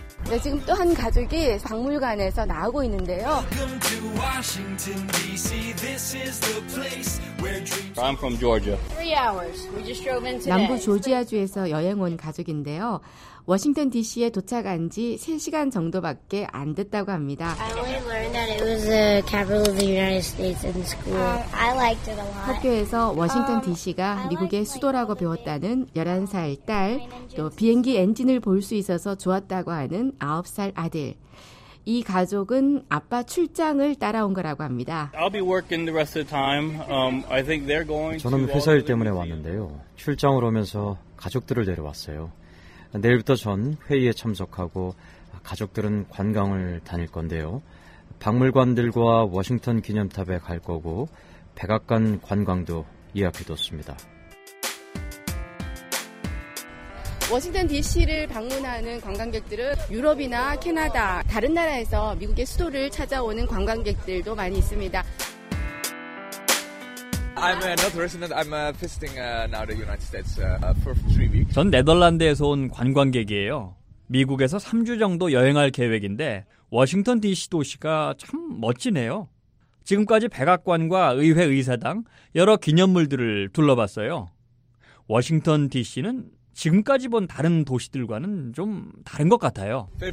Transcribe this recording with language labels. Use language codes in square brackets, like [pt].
[ko] 네, 지금 또 한 가족이 박물관에서 나오고 있는데요. [en] I'm from Georgia. 3 hours. We just drove in today. [ko] 남부 조지아주에서 여행 온 가족인데요. 워싱턴 DC에 도착한 지 3시간 정도밖에 안 됐다고 합니다. [en] I only learned that it was the capital of the United States in school. I liked it a lot. [ko] 학교에서 워싱턴 DC가 미국의 수도라고 배웠다는 11살 딸, 또 비행기 엔진을 볼 수 있어서 좋았다고 하는 9살 아들. 이 가족은 아빠 출장을 따라온 거라고 합니다. 저는 회사일 때문에 왔는데요. 출장을 오면서 가족들을 데려왔어요. 내일부터 전 회의에 참석하고 가족들은 관광을 다닐 건데요. 박물관들과 워싱턴 기념탑에 갈 거고 백악관 관광도 예약해뒀습니다. 워싱턴 DC를 방문하는 관광객들은 유럽이나 캐나다, 다른 나라에서 미국의 수도를 찾아오는 관광객들도 많이 있습니다. [en] I'm a non-resident. I'm visiting now the United States for 3 weeks. [ko] 전 네덜란드에서 온 관광객이에요. 미국에서 3주 정도 여행할 계획인데 워싱턴 DC 도시가 참 멋지네요. 지금까지 백악관과 의회 의사당 여러 기념물들을 둘러봤어요. 워싱턴 DC는 지금까지 본 다른 도시들과는 좀 다른 것 같아요.